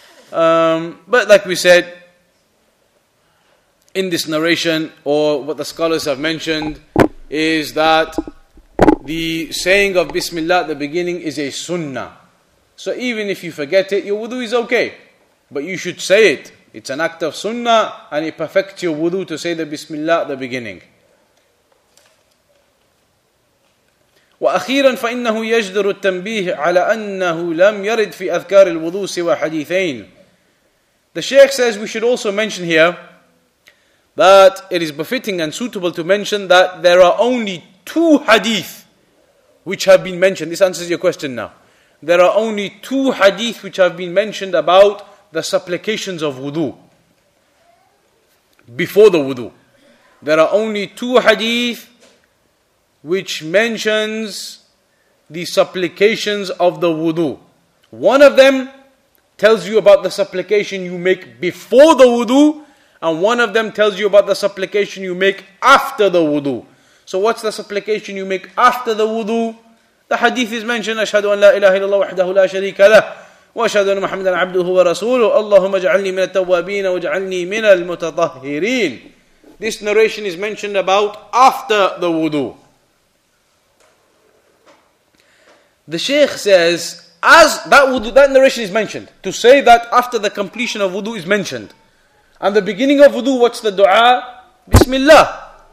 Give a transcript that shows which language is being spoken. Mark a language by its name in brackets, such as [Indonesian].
[English] But like we said, in this narration, or what the scholars have mentioned, is that the saying of Bismillah at the beginning is a sunnah. So even if you forget it, your wudu is okay. But you should say it. It's an act of sunnah, and it perfects your wudu to say the Bismillah at the beginning. [Arabic] وأخيرا فإنه يجدر التنبيه على أنه لم يرد في أذكار الوضوء سوى حديثين. [English] The Sheikh says we should also mention here that it is befitting and suitable to mention that there are only two hadith which have been mentioned. This answers your question now. There are only two hadith which have been mentioned about the supplications of wudu before the wudu. There are only two hadith which mentions the supplications of the wudu. One of them tells you about the supplication you make before the wudu, and one of them tells you about the supplication you make after the wudu. So what's the supplication you make after the wudu? The hadith is mentioned, [Arabic] أشهد أن لا إله إلا الله وحده لا شريك له وأشهد أن محمدا عبده ورسوله اللهم اجعلني من التوابين واجعلني من المتطهرين. [English] This narration is mentioned about after the wudu. The Shaykh says, as that wudu, that narration is mentioned, to say that after the completion of wudu is mentioned. And the beginning of wudu, what's the dua? Bismillah.